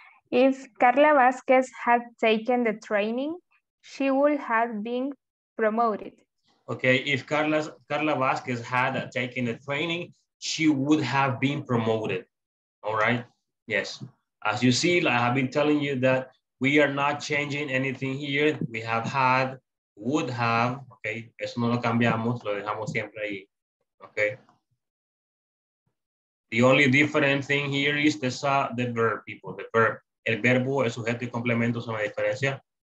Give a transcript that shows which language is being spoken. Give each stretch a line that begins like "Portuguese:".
English: If Carla Vasquez had taken the training, she would have been promoted. Okay, if Carla Vasquez had taken the training, she would have been promoted. All right, yes. As you see, I have been telling you that we are not changing anything here. We have had, would have, okay.
Spanish: Eso no lo cambiamos, lo dejamos siempre ahí, okay.
English: The only different thing here is the verb, people, the verb.
Spanish: El verbo, el sujeto y complemento son la diferencia.